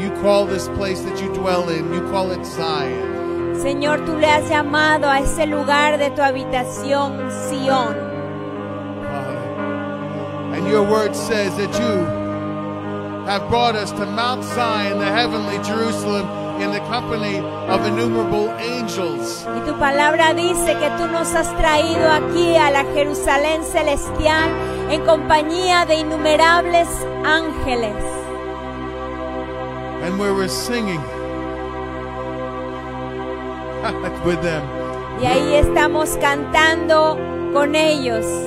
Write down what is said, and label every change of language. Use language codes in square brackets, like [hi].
[en] You call this place that you dwell in, you call it Zion. [es] Señor, tú le has llamado a ese lugar de tu habitación, Sion. [en] Father, and your word says that you have brought us to Mount Zion, the heavenly Jerusalem, in the company of innumerable angels. [es] Y tu palabra dice que tú nos has traído aquí a la Jerusalén celestial en compañía de innumerables ángeles. [en] And where we're singing with them. [es] Y ahí estamos cantando con ellos.